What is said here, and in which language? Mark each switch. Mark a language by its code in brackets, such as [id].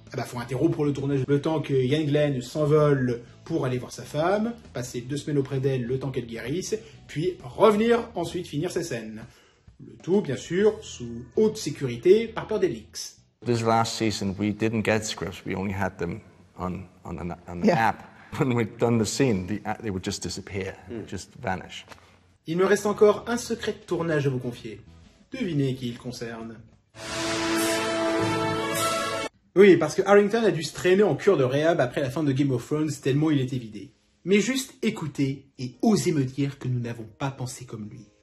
[fr] Ah bah faut interrompre pour le tournage le temps que Ian Glen s'envole pour aller voir sa femme, passer 2 semaines auprès d'elle le temps qu'elle guérisse, puis revenir ensuite finir ses scènes. Le tout, bien sûr, sous haute sécurité, par peur des leaks. [en] This last season, we didn't get scripts. We only had them on the yeah. app. When we'd done the scene, they would just disappear, just vanish. [fr] Il me reste encore un secret de tournage à vous confier. Devinez qui il concerne. Oui, parce que Arrington a dû se traîner en cure de réhab après la fin de Game of Thrones tellement il était vidé. Mais juste écoutez et osez me dire que nous n'avons pas pensé comme lui.